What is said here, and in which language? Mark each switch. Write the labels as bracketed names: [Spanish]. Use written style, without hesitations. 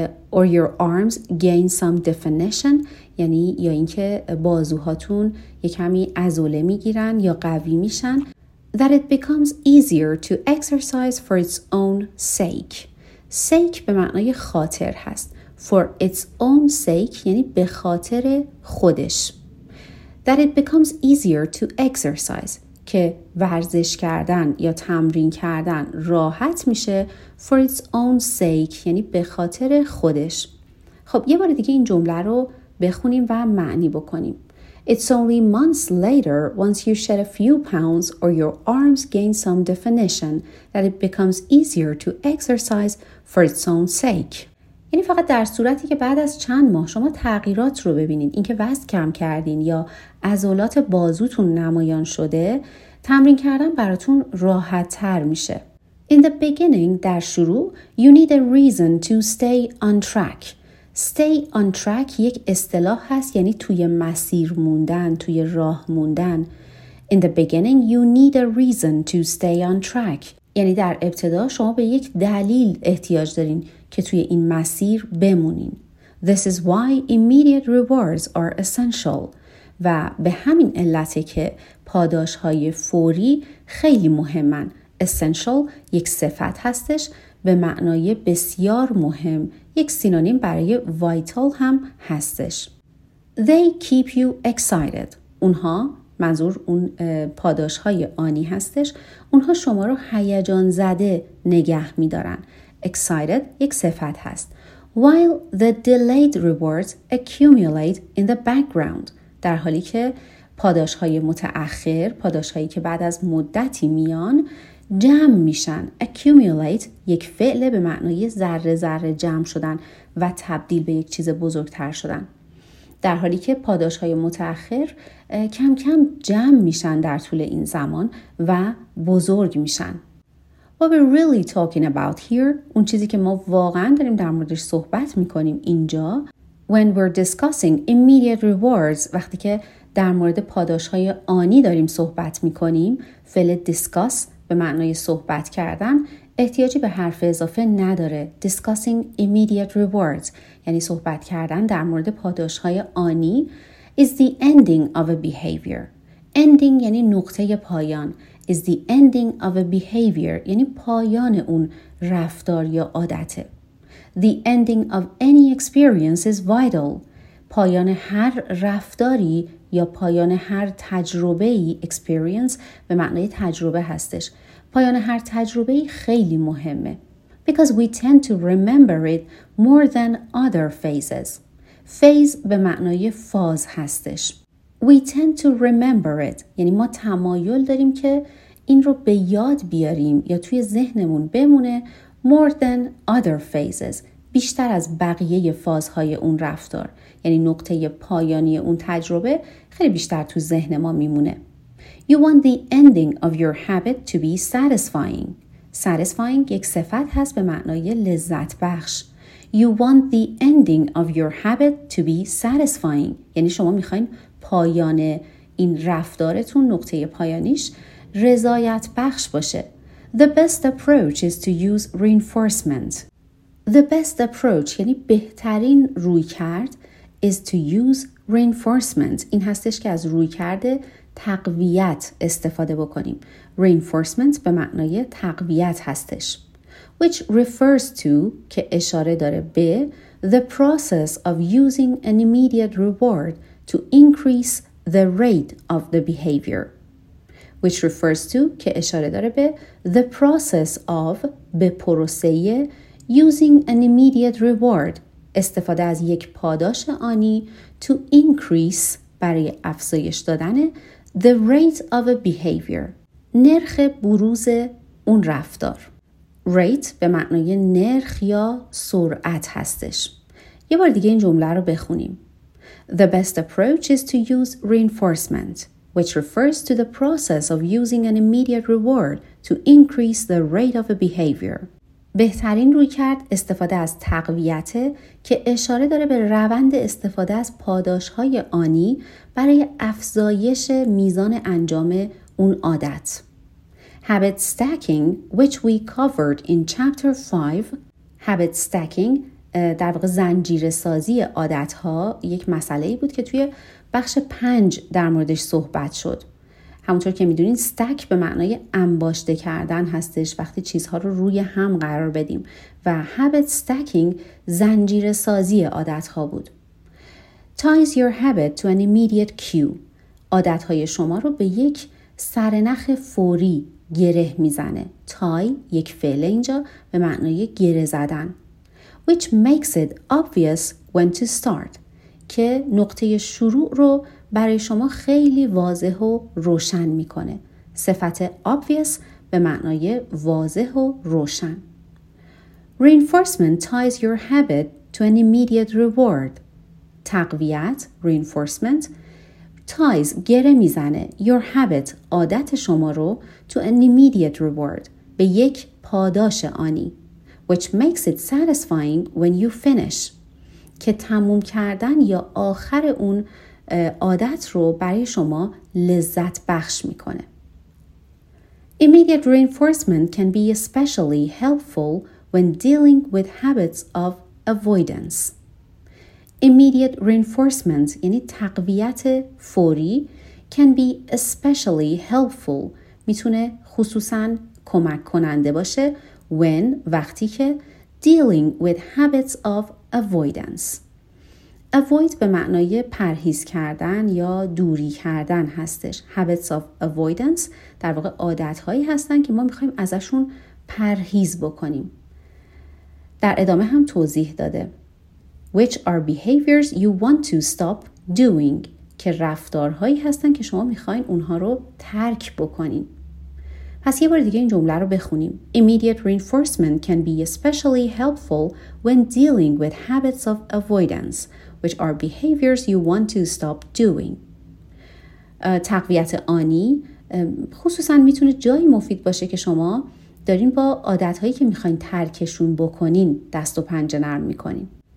[English] Or your arms gain some definition, [Persian] یعنی یا اینکه بازوهاتون یک کمی عضله میگیرن یا قوی میشن. [English] That it becomes easier to exercise for its own sake. [Persian] Sake به معنای خاطر هست. [English] For its own sake [Persian] یعنی به خاطر خودش. [English] That it becomes easier to exercise [Persian] که ورزش کردن یا تمرین کردن راحت میشه. [English] For its own sake [Persian] یعنی به خاطر خودش. خب یه بار دیگه این جمله رو بخونیم و معنی بکنیم. [English] It's only months later, once you shed a few pounds or your arms gain some definition, that it becomes easier to exercise for its own sake. [Persian] یعنی فقط در صورتی که بعد از چند ماه شما تغییرات رو ببینید، اینکه وزن کم کردین یا عضلات بازوتون نمایان شده، تمرین کردن براتون راحت تر میشه. [English] In the beginning, [Persian] در شروع, [English] you need a reason to stay on track. Stay on track [Persian] یک اصطلاح هست یعنی توی مسیر موندن، توی راه موندن. [English] In the beginning you need a reason to stay on track. [Persian] یعنی در ابتدا شما به یک دلیل احتیاج دارین که توی این مسیر بمونین. [English] This is why immediate rewards are essential. [Persian] و به همین علته که پاداش‌های فوری خیلی مهمن. Essential یک صفت هستش به معنای بسیار مهم، یک سینونیم برای وایتال هم هستش. [English] They keep you excited. [Persian] اونها منظور اون پاداش های آنی هستش. اونها شما رو هیجان زده نگه می دارن. Excited یک صفت هست. [English] While the delayed rewards accumulate in the background. [Persian] در حالی که پاداش های متأخر، پاداش هایی که بعد از مدتی میان، جمع میشن. Accumulate یک فعل به معنای ذره ذره جمع شدن و تبدیل به یک چیز بزرگتر شدن. در حالی که پاداش های متأخر کم کم جمع میشن در طول این زمان و بزرگ میشن. [English] What we're really talking about here, [Persian] اون چیزی که ما واقعا داریم در موردش صحبت میکنیم اینجا, [English] when we're discussing immediate rewards, [Persian] وقتی که در مورد پاداش های آنی داریم صحبت میکنیم, فعل discuss به معنای صحبت کردن, احتیاجی به حرف اضافه نداره. [English] Discussing immediate rewards, [Persian] یعنی صحبت کردن در مورد پاداش های آنی, [English] is the ending of a behavior. [Persian] Ending یعنی نقطه پایان. [English] Is the ending of a behavior, [Persian] یعنی پایان اون رفتار یا عادته. [English] The ending of any experience is vital. [Persian] پایان هر رفتاری یا پایان هر تجربه‌ای, experience به معنی تجربه هستش. پایان هر تجربه‌ای خیلی مهمه. [English] Because we tend to remember it more than other phases. [Persian] Phase به معنی فاز هستش. [English] We tend to remember it. [Persian] یعنی ما تمایل داریم که این رو به یاد بیاریم یا توی ذهنمون بمونه. More than other phases. بیشتر از بقیه فازهای اون رفتار. یعنی نقطه پایانی اون تجربه خیلی بیشتر تو ذهن ما میمونه. [English] You want the ending of your habit to be satisfying. [Persian] Satisfying یک صفت هست به معنای لذت بخش. [English] You want the ending of your habit to be satisfying. [Persian] یعنی شما میخواین پایان این رفتارتون, نقطه پایانیش رضایت بخش باشه. [English] The best approach is to use reinforcement. The best approach [Persian] یعنی بهترین روی کرد [English] is to use reinforcement. [Persian] این هستش که از روی کرده تقویت استفاده بکنیم. Reinforcement به معنای تقویت هستش. [English] Which refers to, [Persian] که اشاره داره به, [English] the process of using an immediate reward to increase the rate of the behavior. Which refers to, [Persian] که اشاره داره به, [English] the process of, [Persian] به پروسه, [English] using an immediate reward, [Persian] استفاده از یک پاداش آنی, [English] to increase, [Persian] برای افزایش دادن, [English] the rate of a behavior, [Persian] نرخ بروز اون رفتار. Rate به معنای نرخ یا سرعت هستش. یه بار دیگه این جمله رو بخونیم. [English] The best approach is to use reinforcement, which refers to the process of using an immediate reward to increase the rate of a behavior. [Persian] بهترین رویکرد استفاده از تقویت که اشاره داره به روند استفاده از پاداش‌های آنی برای افزایش میزان انجام اون عادت. [English] Habit stacking, which we covered in chapter 5. [Persian] Habit stacking در واقع زنجیره سازی عادت‌ها یک مسئله‌ای بود که توی بخش 5 در موردش صحبت شد. همونطور که می‌دونید استک به معنای انباشته کردن هستش, وقتی چیزها رو روی هم قرار بدیم, و habit stacking زنجیره سازی عادت‌ها بود. [English] Ties your habit to an immediate cue. [Persian] عادت‌های شما رو به یک سرنخ فوری گره میزنه. تای یک فعل اینجا به معنای گره زدن. [English] Which makes it obvious when to start. [Persian] که نقطه شروع رو برای شما خیلی واضح و روشن میکنه. صفت obvious به معنای واضح و روشن. [English] Reinforcement ties your habit to an immediate reward. [Persian] تقویت, reinforcement, ties, گره میزنه, [English] your habit, [Persian] عادت شما رو, [English] to an immediate reward, [Persian] به یک پاداش آنی, [English] which makes it satisfying when you finish, [Persian] که تموم کردن یا آخر اون عادت رو برای شما لذت بخش میکنه. [English] Immediate reinforcement can be especially helpful when dealing with habits of avoidance. Immediate reinforcement, [Persian] یعنی تقویت فوری, [English] can be especially helpful, [Persian] میتونه خصوصا کمک کننده باشه, [English] when, [Persian] وقتی که, [English] dealing with habits of avoidance. [Persian] Avoid به معنای پرهیز کردن یا دوری کردن هستش. Habits of avoidance در واقع عادت‌هایی هستن که ما می‌خوایم ازشون پرهیز بکنیم. در ادامه هم توضیح داده. [English] Which are behaviors you want to stop doing؟ [Persian] که رفتارهایی هستن که شما می‌خواید اونها رو ترک بکنین. پس یه بار دیگه این جمله رو بخونیم. [English] Immediate reinforcement can be especially helpful when dealing with habits of avoidance. Which are behaviors you want to stop doing. [Persian] تقویت آنی خصوصا میتونه جایی مفید باشه که شما دارین با عادتهایی که میخواین ترکشون بکنین دست و پنجه نرم میکنین.